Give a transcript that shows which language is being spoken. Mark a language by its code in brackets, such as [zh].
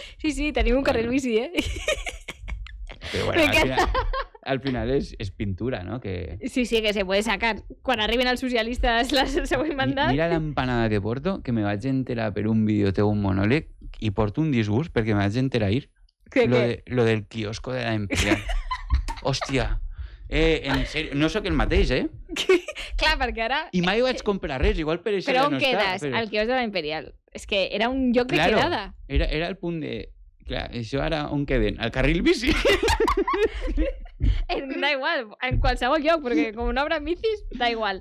[ca] Sí, sí, tenim un carril bici, eh? Però bueno, al final és pintura, no? Que... [es] Sí, sí, que se puede sacar. [ca] Quan arriben els socialistes, la següent mandat... Mira l'empanada que porto, que me vaig enterar per un vídeo teu, un monòleg, i porto un disgust perquè me vaig enterar ahir. [es] Lo del quiosco de la empresa. [ca] Hòstia. En serio, no sóc el mateix, eh? Clar, perquè ara... I mai vaig comprar res, igual per això però on no quedes? Està, però... El quiosc de la Imperial. És que era un lloc [es] claro, [ca] de quedada. Era el punt de... Clar, això ara on queden? Al carril bici? Da igual, en qualsevol lloc, perquè com no obren bicis, da igual.